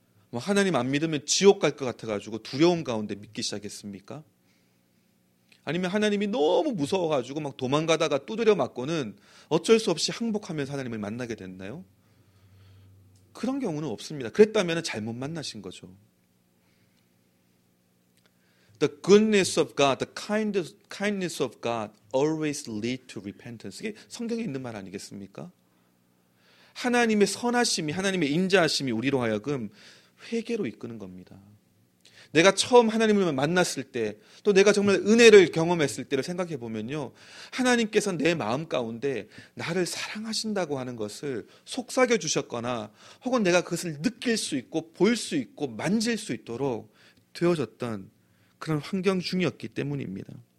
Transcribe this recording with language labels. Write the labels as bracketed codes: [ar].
[ko] 뭐 하나님 안 믿으면 지옥 갈 것 같아가지고 두려움 가운데 믿기 시작했습니까? 아니면 하나님이 너무 무서워가지고 막 도망가다가 두드려 맞고는 어쩔 수 없이 항복하면서 하나님을 만나게 됐나요? 그런 경우는 없습니다. 그랬다면 잘못 만나신 거죠. [en] The goodness of God, the kindness of God always lead to repentance. [ko] 이게 성경에 있는 말 아니겠습니까? 하나님의 선하심이, 하나님의 인자하심이 우리로 하여금 회개로 이끄는 겁니다. 내가 처음 하나님을 만났을 때, 또 내가 정말 은혜를 경험했을 때를 생각해 보면요. 하나님께서 내 마음 가운데 나를 사랑하신다고 하는 것을 속삭여 주셨거나 혹은 내가 그것을 느낄 수 있고 볼 수 있고 만질 수 있도록 되어졌던 그런 환경 중이었기 때문입니다.